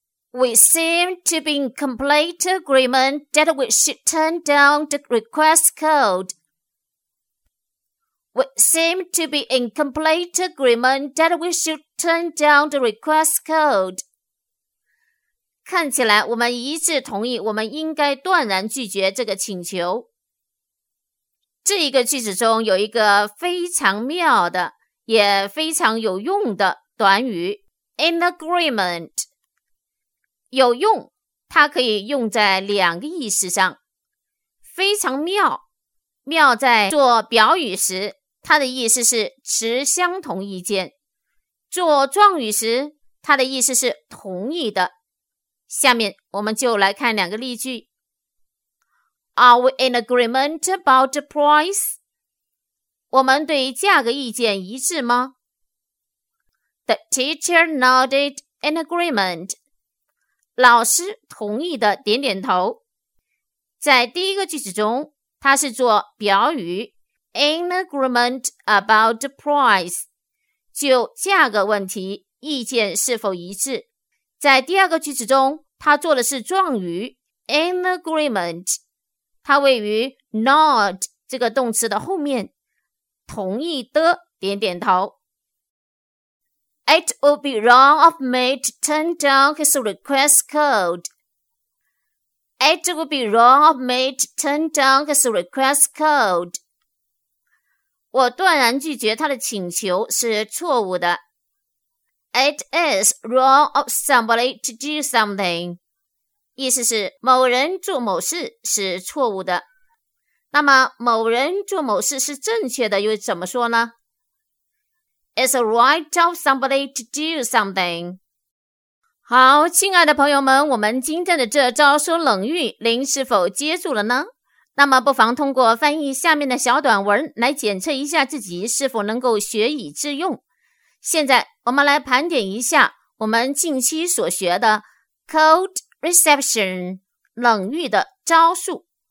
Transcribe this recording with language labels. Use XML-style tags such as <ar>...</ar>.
<en>We seem to be in complete agreement that we should turn down the request cold. We seem to be in complete agreement that we should turn down the request cold.</en> <zh>看起来我们一致同意，我们应该断然拒绝这个请求。这一个句子中有一个非常妙的，也非常有用的短语 in agreement。有用，它可以用在两个意思上。非常妙，妙在做表语时，它的意思是持相同意见；做状语时，它的意思是同意的。下面我们就来看两个例句。</zh> <en>Are we in agreement about the price?</en> <zh>我们对价格意见一致吗？</zh> <en>The teacher nodded in agreement.</en> <zh>老师同意的点点头。在第一个句子中，它是做表语</zh> <en>in agreement about the price，</en> <zh>就价格问题意见是否一致。在第二个句子中，他做的是状语 in agreement， 它位于 nod 这个动词的后面，同意的点点头。</zh> <en>It would be wrong of me to turn down his request code. It would be wrong of me to turn down his request code.</en> <zh>我断然拒绝他的请求是错误的。</zh> <en>It is wrong of somebody to do something.</en> <zh>意思是某人做某事是错误的。那么某人做某事是正确的又怎么说呢？</zh> <en>It's right of somebody to do something.</en> <zh>好，亲爱的朋友们，我们今天的这招说冷语您是否接住了呢？那么不妨通过翻译下面的小短文来检测一下自己是否能够学以致用。现在我们来盘点一下我们近期所学的 cold reception 冷遇的招数。</zh>